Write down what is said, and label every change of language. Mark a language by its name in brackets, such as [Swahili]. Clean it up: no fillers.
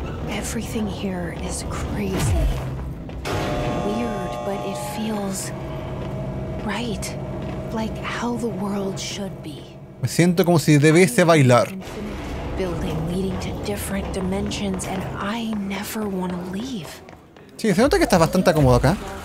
[English] Everything here is crazy. Weird, but it feels right. Like how the world should be. [Spanish] Me siento como si debiese bailar. [English] Building leading to different dimensions and I never want to leave. [Spanish] Sí, se nota que estás bastante acomodo acá.